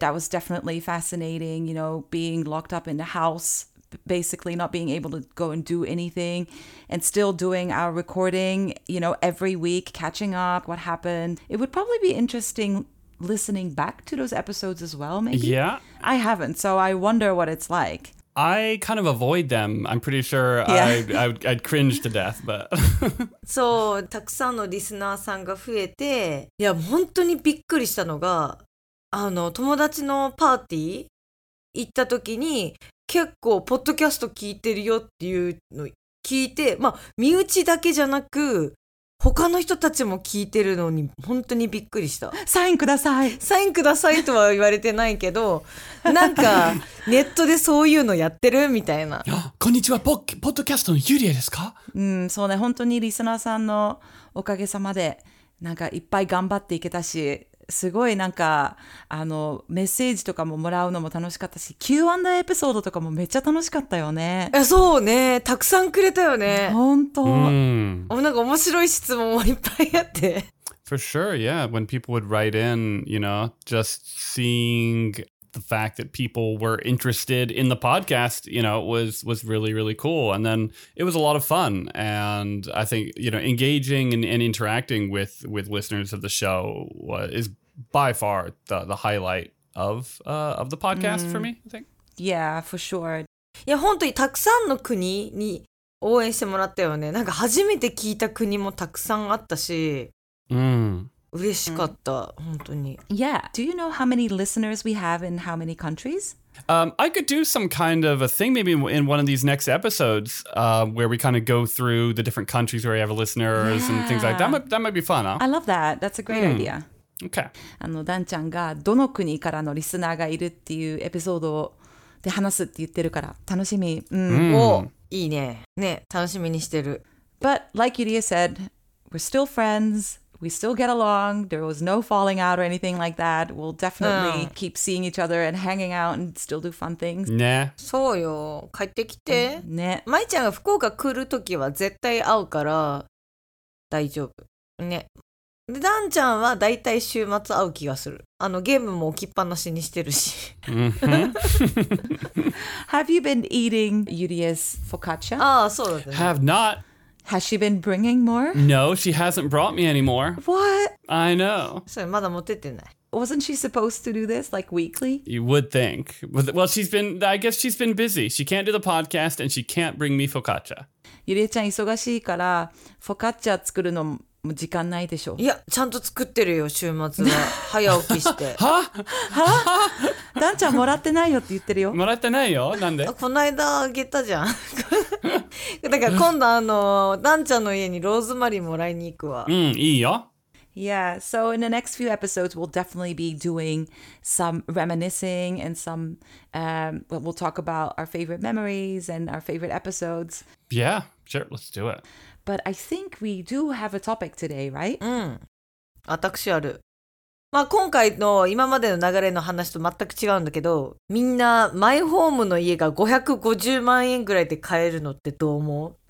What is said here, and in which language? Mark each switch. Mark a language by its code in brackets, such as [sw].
[en] That was definitely fascinating, you know, being locked up in the house, basically not being able to go and do anything, and still doing our recording, you know, every week, catching up what happened. It would probably be interesting listening back to those episodes as well, maybe. Yeah, I haven't, so I wonder what it's like. I kind of avoid them. I'm pretty sure I'd cringe to death, but [ja] so たくさんのリスナーさんが増えて、いや本当にびっくりしたのが、あの友達のパーティー行った時に結構ポッドキャスト聞いてるよっていうの聞いて、まあ身内だけじゃなく他の人たちも聞いてるのに本当にびっくりした。サインください、サインくださいとは言われてないけどなんかネットでそういうのやってるみたいなこんにちは、ポッドキャストのユリアですか。そうね、本当にリスナーさんのおかげさまでなんかいっぱい頑張っていけたし、すごいなんかあのメッセージとかももらうのも楽しかったし、 Q&A エピソードとかもめっちゃ楽しかったよね。え、そうね、たくさんくれたよね。本当。なんか面白い質問もいっぱいあって。 [en] For sure, yeah. When people would write in, you know, just seeing the fact that people were interested in the podcast, you know, was really, really cool. And then it was a lot of fun. And I think, you know, engaging and interacting with listeners of the show is by far the highlight of the podcast for me, I think. Yeah, for sure. [ja] Yeah, 本当にたくさんの国に応援してもらったよね。なんか初めて聞いた国もたくさんあったし。嬉しかった、本当に。 [en] Yeah. Do you know how many listeners we have in how many countries? I could do some kind of a thing maybe in one of these next episodes where we kind of go through the different countries where we have listeners and things like that. That might be fun, huh? I love that. That's a great idea. Okay. [ja] あの、ダンちゃんがどの国からのリスナーがいるっていうエピソードで話すって言ってるから楽しみ。いいね。ね、楽しみにしてる。 [en] But like Yuria said, we're still friends. We still get along. There was no falling out or anything like that. We'll definitely keep seeing each other and hanging out and still do fun things. [ja] ね。そうよ。帰ってきて。ね。まいちゃんが福岡来るときは絶対会うから大丈夫。ね。で、ダンちゃんはだいたい週末会う気がする。あの、ゲームも置きっぱなしにしてるし。 [en] Have you been eating Yuria's focaccia? [ja] ああ、そうだね。 [en] Have not. Has she been bringing more? No, she hasn't brought me anymore. What? I know. [ja] So, まだ持っててない。 [en] Wasn't she supposed to do this, like, weekly? You would think. Well, she's been, I guess she's been busy. She can't do the podcast and she can't bring me focaccia. [ja] ゆりえちゃん忙しいから、フォカッチャ作るのも時間ないでしょ。いや、ちゃんと作ってるよ、週末は。早起きして。は? は? ダンちゃんもらってないよって言ってるよ。もらってないよ、なんで? こないだあげたじゃん。だから今度ダンちゃんの家にローズマリーもらいに行くわ。いいよ。 [en] Yeah, so in the next few episodes, we'll definitely be doing some reminiscing and some, we'll talk about our favorite memories and our favorite episodes. Yeah, sure, let's do it. But I think we do have a topic today, right? [ja] 私ある。まあ今回の今までの流れの話と全く違うんだけど、みんなマイホームの家が550万円ぐらいで買えるのってどう思う